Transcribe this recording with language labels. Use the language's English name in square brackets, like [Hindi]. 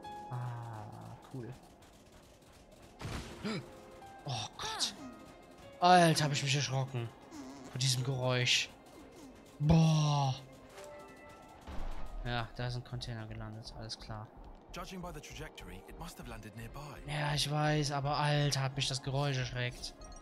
[German] Ah, cool. Oh Gott. Alter, habe ich mich erschrocken. Vor diesem Geräusch. Boah. Ja, da ist ein Container gelandet, alles klar. [English] Judging by the trajectory, it must have landed nearby. [German] Ja, ich weiß, aber Alter, hat mich das Geräusch erschreckt.